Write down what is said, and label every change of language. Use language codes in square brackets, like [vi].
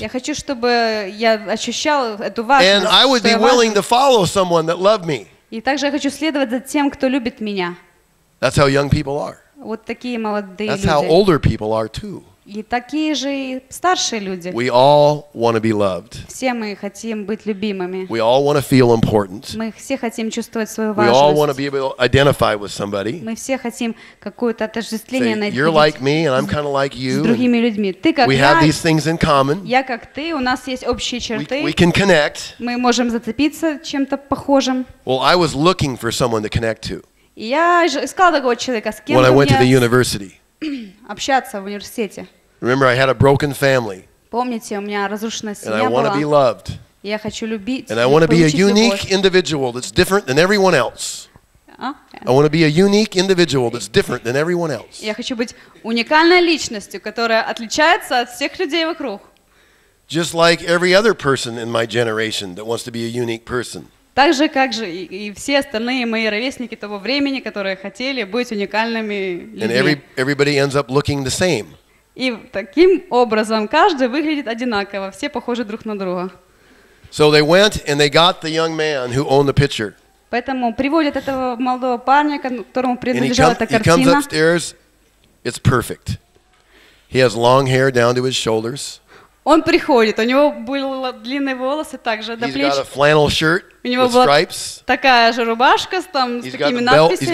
[ru] Я хочу, чтобы я ощущал эту важность. [en] And I would be willing to follow someone that loved me. [ru] И также я хочу следовать за тем, кто любит меня. [en] That's how young people are. [ru] Вот такие молодые люди. [en] That's how older people are too. [ru] И такие же и старшие люди. [en] We all want to be loved. [ru] Все мы хотим быть любимыми. [en] We all want to feel important. [ru] Мы все хотим чувствовать свою важность. [en] We all want to be able to identify with somebody. [ru] Мы все хотим какое-то отождествление найти. [en] You're like me and I'm kind of like you. [ru] С другими людьми. Ты как я. [en] We have these things in common. [ru] Я как ты, у нас есть общие черты. [en] We can connect. [ru] Мы можем зацепиться чем-то похожим. [en] Well, I was looking for someone to connect to. [ru] Я искал такого человека, с кем общаться в университете. [en] Remember, I had a broken family. [ru] Помните, у меня разрушенная семья [en] And [ru] была. [en] I want to be loved. [ru] Я хочу любить. [en] And I want to be a unique individual that's different than everyone else. I want to be a unique individual that's different than everyone else. [ru] Я хочу быть уникальной личностью, которая отличается от всех людей вокруг. [en] Just like every other person in my generation that wants to be a unique person. [ru] Так же, как же и все остальные мои ровесники того времени, которые хотели быть уникальными людьми. [en] And everybody ends up looking the same. [ru] И таким образом каждый выглядит одинаково, все похожи друг на друга. [en] So they went and they got the young man who owned the picture. [ru] Поэтому приводят этого молодого парня, которому принадлежала эта картина. [en] He comes upstairs. It's perfect. He has long hair down to his shoulders. [ru] Он приходит, у него были длинные волосы также до плеч. [en] He's got a flannel shirt. [ru] У него была такая же рубашка с там с такими надписями.